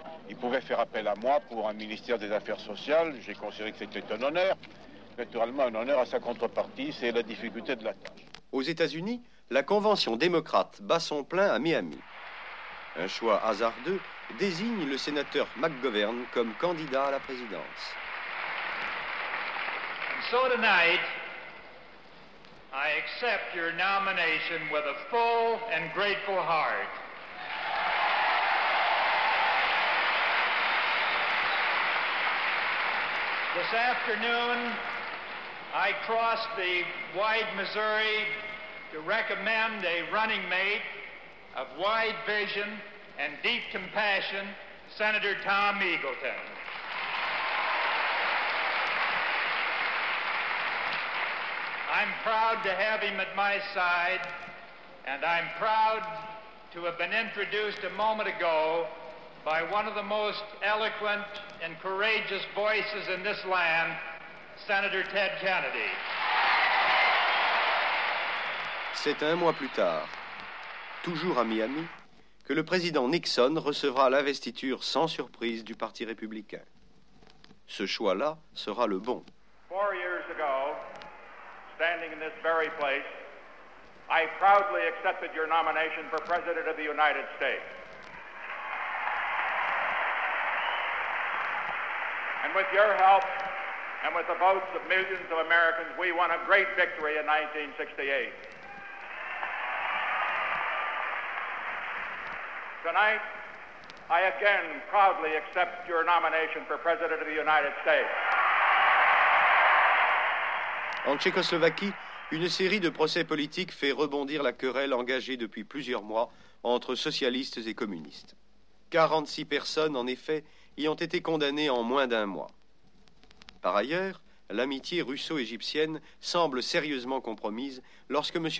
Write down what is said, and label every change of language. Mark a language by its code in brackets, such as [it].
[fr] Ils pouvaient faire appel à moi pour un ministère des Affaires sociales. J'ai considéré que c'était un honneur. Naturellement, un honneur à sa contrepartie, c'est la difficulté de la tâche. Aux États-Unis, la convention démocrate bat son plein à Miami. Un choix hasardeux désigne le sénateur McGovern comme candidat à la présidence. [en] So tonight, I accept your nomination with a full and grateful heart. This afternoon, I crossed the wide Missouri to recommend a running mate of wide vision and deep compassion, Senator Tom Eagleton. I'm proud to have him at my side, and I'm proud to have been introduced a moment ago by one of the most eloquent and courageous voices in this land, Senator Ted Kennedy. [fr] C'est un mois plus tard, toujours à Miami, que le président Nixon recevra l'investiture sans surprise du Parti républicain. Ce choix-là sera le bon. [en] 4 years ago, standing in this very place, I proudly accepted your nomination for President of the United States. And with your help and with the votes of millions of Americans, we won a great victory in 1968. Tonight, I again proudly accept your nomination for President of the United States. [fr] En Tchécoslovaquie, une série de procès politiques fait rebondir la querelle engagée depuis plusieurs mois entre socialistes et communistes. 46 personnes, en effet, y ont été condamnées en moins d'un mois. Par ailleurs, l'amitié russo-égyptienne semble sérieusement compromise lorsque M.